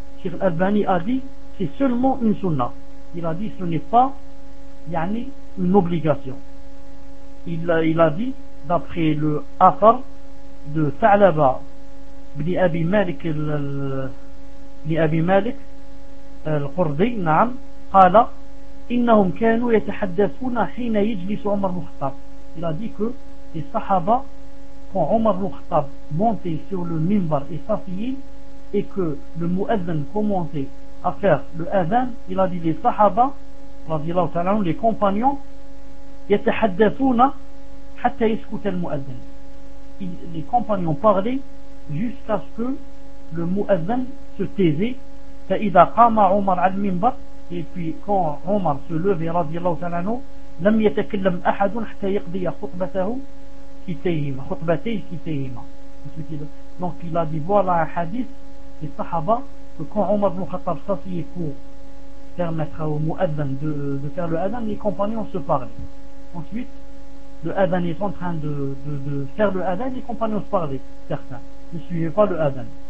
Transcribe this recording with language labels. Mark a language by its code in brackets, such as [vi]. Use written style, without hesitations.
[fr] Cheikh Al-Albani a dit, c'est seulement une sunna. Il a dit, ce n'est pas, yani, une obligation. Il a dit, d'après le athar de Tha'laba, ibn Abi Malik, [ar] القرضي نعم قال إنهم كانوا يتحدثون حين يجلس عمر بن الخطاب. [fr] Il a dit que les Sahaba, quand Omar ibn Khattab montait sur le minbar et s'asseyait, et que le Mu'adhan commençait à faire le Adhan, il a dit les Sahaba, les compagnons, [ar] يتحدثون حتى يسكت المؤذن. [fr] Les compagnons parlaient jusqu'à ce que le Mu'adhan se taisait. [ar] فإذا قام عمر على المنبر, [fr] et puis quand Omar se levait, [ar] radiallahu ta'ala anhu, لم يتكلم أحد حتى يقضي خطبته كتيهما خطبتيه كتيهما. [fr] Donc il a dit voilà un hadith des sahaba que quand Omar ibn Khattab s'assied pour permettre au muadhan de faire le adhan, les compagnons se parlaient. Ensuite le adhan est en train de faire le adhan, les compagnons se parlaient, certains ne suivaient pas le adhan.